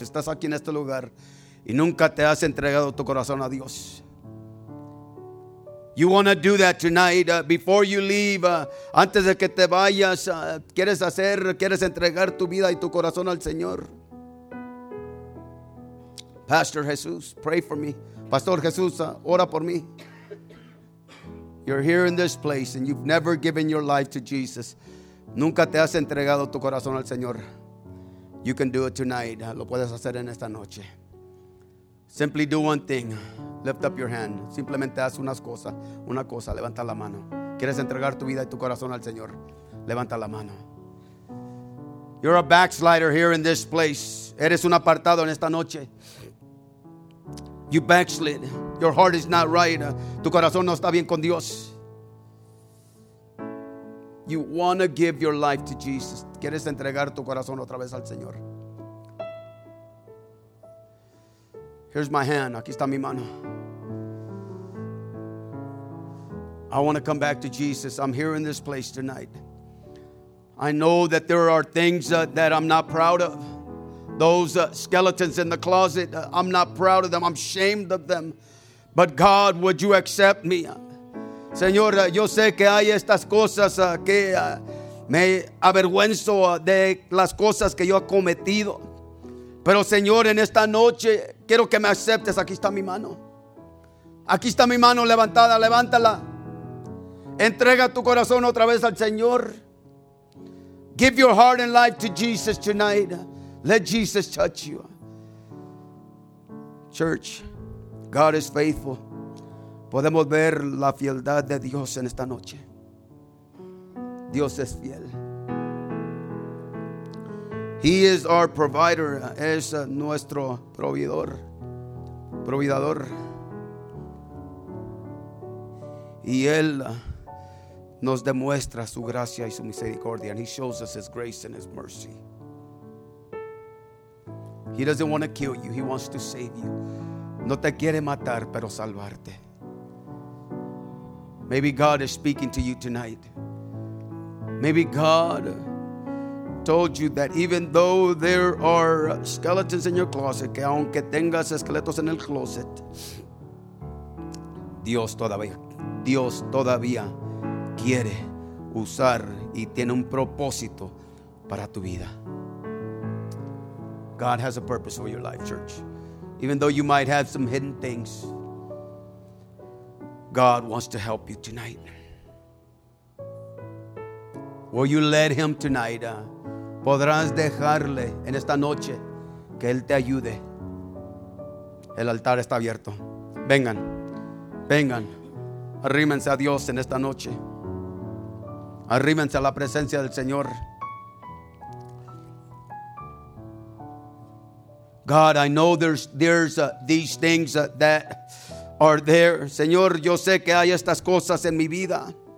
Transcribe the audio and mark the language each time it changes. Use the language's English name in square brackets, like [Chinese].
[Spanish] Estás aquí en este lugar y nunca te has entregado tu corazón a Dios. [English] You want to do that tonight before you leave. [Spanish] Antes de que te vayas, quieres entregar tu vida y tu corazón al Señor. [English] Pastor Jesús, pray for me. [Spanish] Pastor Jesús, ora por mí. [English] You're here in this place and you've never given your life to Jesus. [Spanish] Nunca te has entregado tu corazón al Señor. [English] You can do it tonight. [Spanish] Lo puedes hacer en esta noche. [English] Simply do one thing. Lift up your hand. [Spanish] Simplemente haz una cosa. Levanta la mano. ¿Quieres entregar tu vida y tu corazón al Señor? Levanta la mano. [English] You're a backslider here in this place. [Spanish] Eres un apartado en esta noche. [English] You backslid. Your heart is not right. [Spanish] Tu corazón no está bien con Dios. [English] You want to give your life to Jesus. [Spanish] ¿Quieres entregar tu corazón otra vez al Señor? [English] Here's my hand. [Spanish] Aquí está mi mano. [English] I want to come back to Jesus. I'm here in this place tonight. I know that there are things that I'm not proud of. Those skeletons in the closet, I'm not proud of them. I'm ashamed of them. But God, would you accept me? [Spanish] Señor, yo sé que hay estas cosas que me avergüenzo de las cosas que yo he cometido. Pero Señor, en esta noche quiero que me aceptes. Aquí está mi mano. Aquí está mi mano levantada. Levántala. Entrega tu corazón otra vez al Señor. [English] Give your heart and life to Jesus tonight. Let Jesus touch you. Church, God is faithful. [Spanish] Podemos ver la fieldad de Dios en esta noche. Dios es fiel. [English] He is our provider. [Spanish] Es nuestro proveedor. Providador. Y Él nos demuestra su gracia y su misericordia. [English] And He shows us His grace and His mercy. He doesn't want to kill you. He wants to save you. [Spanish] No te quiere matar, pero salvarte. [English] Maybe God is speaking to you tonight. Maybe God told you that even though there are skeletons in your closet, [Spanish] que aunque tengas esqueletos en el closet, Dios todavía quiere usar y tiene un propósito para tu vida. [English] God has a purpose for your life, church. Even though you might have some hidden things, God wants to help you tonight. Will you let Him tonight? [Spanish] ¿Podrás dejarle en esta noche que Él te ayude? El altar está abierto. Vengan. Vengan. Arrímense a Dios en esta noche. Arrímense a la presencia del Señor. [English] God, I know there's these things that are there. [Spanish] Señor, yo sé que hay estas cosas en mi vida.